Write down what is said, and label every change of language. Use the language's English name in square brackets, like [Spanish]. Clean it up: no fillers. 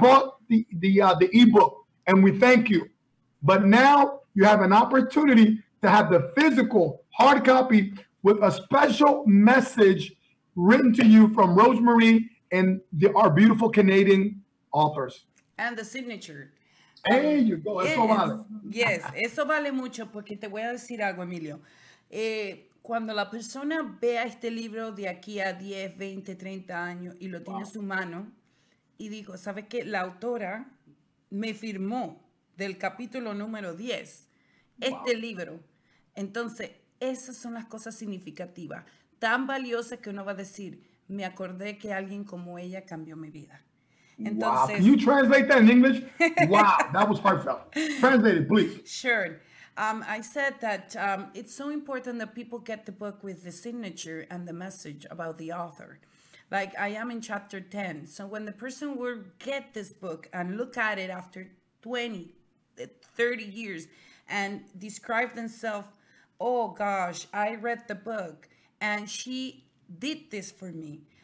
[English] bought the ebook, and we thank you. But now you have an opportunity to have the physical hard copy with a special message written to you from Rosemarie and our beautiful Canadian authors. And the signature. Hey, you go. [Spanish] Eso vale. Yes, eso vale mucho porque te voy a decir algo, Emilio. Cuando la persona vea este libro de aquí a 10, 20, 30 años y lo tiene en su mano y digo, ¿sabes qué? La autora me firmó del capítulo número 10 este libro. Entonces, esas son las cosas significativas, tan valiosas que uno va a decir, me acordé que alguien como ella cambió mi vida. [English] Entonces, wow. Can you translate that in English? Wow, that was heartfelt. Translate it, please. Sure. I said that it's so important that people get the book with the signature and the message about the author. Like, I am in chapter 10. So when the person will get this book and look at it after 20, 30 years and describe themselves, oh gosh, I read the book and she did this for me.